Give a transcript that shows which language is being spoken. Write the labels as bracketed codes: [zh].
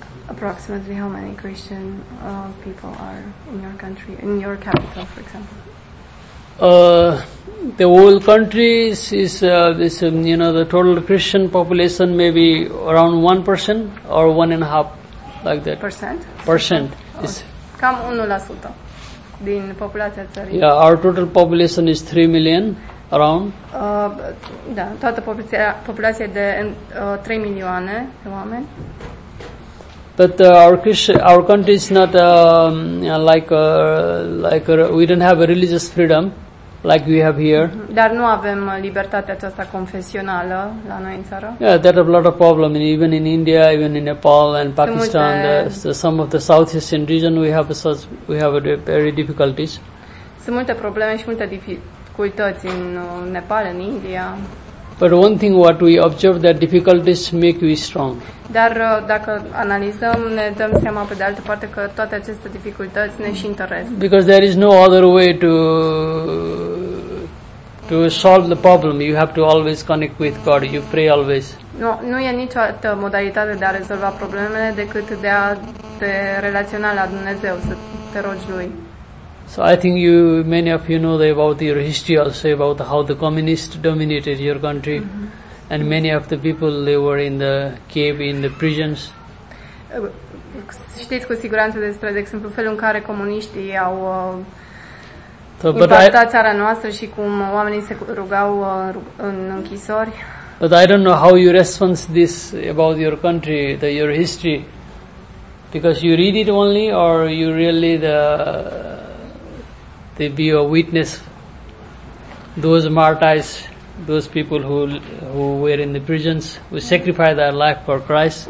[en] Approximately how many Christian people are in your country, in your capital, for example? The whole country is this, you know, the total Christian population may be around 1% or 1.5%, like that. Percent. Is [ro] cam 1% din populația țării. [en] Yeah, our total population is 3 million around. [ro] Da, toată populația de 3 milioane de oameni. [en] But our country is not we don't have a religious freedom like we have here. [ro] Dar nu avem libertatea aceasta confesională la noi în țară. [en] Yeah, there are a lot of problems even in India, even in Nepal and Pakistan. Some of the South Asian region we have very difficulties. [ro] Sunt multe probleme și multe dificultăți în Nepal, în India. [en] But one thing what we observe that difficulties make you strong. [ro] Dar dacă analizăm, ne dăm seama pe de altă parte că toate aceste dificultăți ne și întăresc. [en] Because there is no other way to solve the problem. You have to always connect with God. You pray always. [ro] Nu e nicio altă modalitate de a rezolva problemele decât de a te relaționa la Dumnezeu, să te rogi Lui. [en] So I think many of you know about your history also, about how the communists dominated your country. Mm-hmm. And many of the people, they were in the cave, in the prisons. [ro] Știți cu siguranță despre, de exemplu, felul în care comuniștii au impactat țara noastră și cum oamenii se rugau în închisori. [en] But I don't know how you respond this about your country, your history. Because you read it only or you really they be a witness, those martyrs, those people who were in the prisons, who sacrificed their life for Christ.